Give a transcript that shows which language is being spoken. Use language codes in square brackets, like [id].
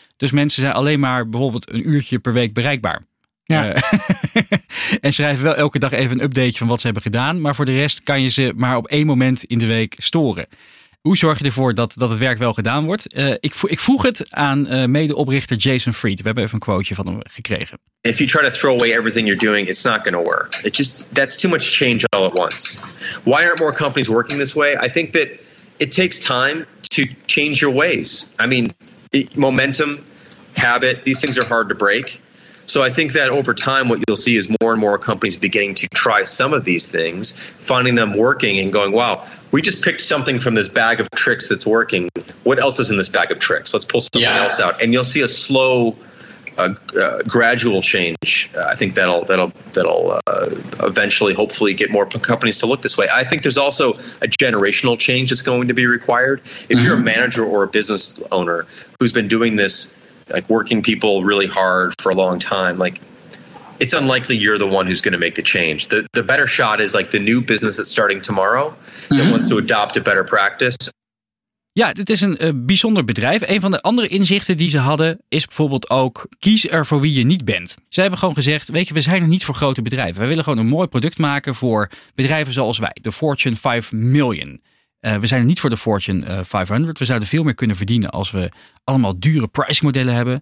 [nl] Dus mensen zijn alleen maar bijvoorbeeld een uurtje per week bereikbaar. Ja. en schrijven wel elke dag even een update van wat ze hebben gedaan. Maar voor de rest kan je ze maar op 1 moment in de week storen. Hoe zorg je ervoor dat het werk wel gedaan wordt? Ik vroeg het aan medeoprichter Jason Fried. We hebben even een quoteje van hem gekregen. [en] If you try to throw away everything you're doing, it's not going to work. It just, that's too much change all at once. Why aren't more companies working this way? I think that it takes time to change your ways. I mean, momentum, habit, these things are hard to break. So I think that over time, what you'll see is more and more companies beginning to try some of these things, finding them working and going, wow, we just picked something from this bag of tricks that's working. What else is in this bag of tricks? Let's pull something else out. And you'll see a slow, gradual change. I think that'll eventually, hopefully, get more companies to look this way. I think there's also a generational change that's going to be required. If you're a manager or a business owner who's been doing this, like working people really hard for a long time, like it's unlikely you're the one who's going to make the change. The better shot is like the new business that's starting tomorrow that wants to adopt a better practice. [nl] Ja, dit is een bijzonder bedrijf. Een van de andere inzichten die ze hadden is bijvoorbeeld ook kies er voor wie je niet bent. Ze hebben gewoon gezegd, weet je, we zijn er niet voor grote bedrijven. Wij willen gewoon een mooi product maken voor bedrijven zoals wij, de Fortune 5 Million. We zijn niet voor de Fortune 500. We zouden veel meer kunnen verdienen als we allemaal dure pricing modellen hebben.